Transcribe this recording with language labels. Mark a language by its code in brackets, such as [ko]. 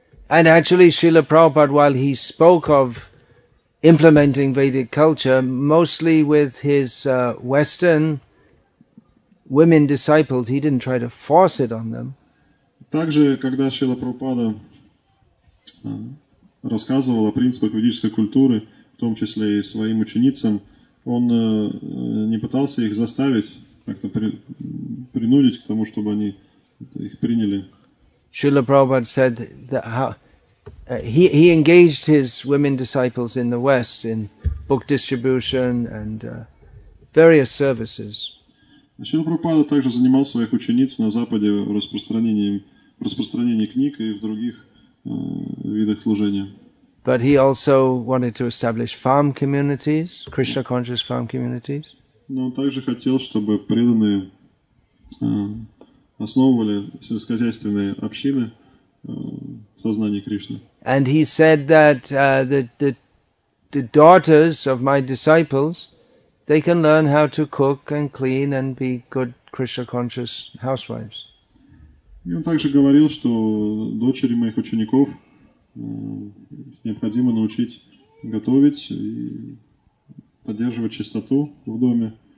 [en] And actually, Srila Prabhupada, while he spoke of implementing Vedic culture, mostly with his Western women disciples, he didn't try to force it on them. [ru] Также, когда Шрила Прабхупада рассказывал о принципах ведической культуры, в том числе и своим ученицам, он не пытался их заставить, как-то принудить к тому, чтобы они их приняли. [en] Шрила Прабхупада said that how he engaged his women disciples in the West in book distribution and various services. [ru] Шрила Прабхупада также занимал своих учениц на Западе в распространении книг и в других видах служения. [en] But he also wanted to establish farm communities, Krishna conscious farm communities. [ru] Но он также хотел, чтобы преданные основывали сельскохозяйственные общины в сознании Кришны. [en] And he said that the daughters of my disciples, they can learn how to cook and clean and be good Krishna conscious housewives. [ru] И он также говорил, что дочери моих учеников необходимо научить готовить и поддерживать чистоту в доме.